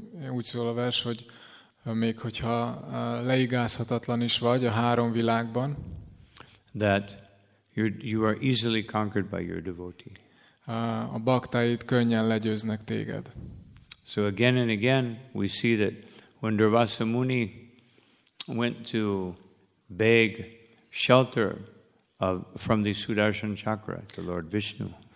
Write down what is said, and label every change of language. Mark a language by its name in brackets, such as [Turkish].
[Hungarian] Úgy szól a vers, hogy még hogyha leigázhatatlan is vagy a három világban, [English] that you are easily conquered by your devotee. [Hungarian] A baktáid könnyen legyőznek téged. [English] So again and again we see that when Durvasa Muni went to beg shelter from the Sudarshan Chakra to Lord Vishnu.